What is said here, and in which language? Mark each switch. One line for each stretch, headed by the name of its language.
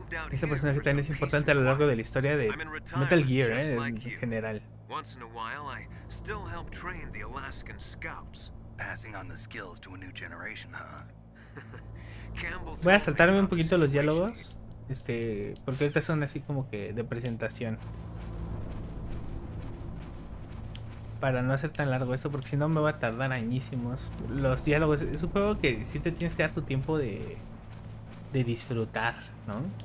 Spanish: Este personaje también es importante a lo largo de la historia de Metal Gear, en general.
English: Once in a while, I still help train the Alaskan scouts. Passing on the skills to a new generation, huh? Campbell.
Spanish: Voy a saltarme un poquito los diálogos, porque estas son así como que de presentación. Para no hacer tan largo esto, porque si no me va a tardar añísimos los diálogos. Es un juego que sí te tienes que dar tu tiempo de disfrutar, ¿no?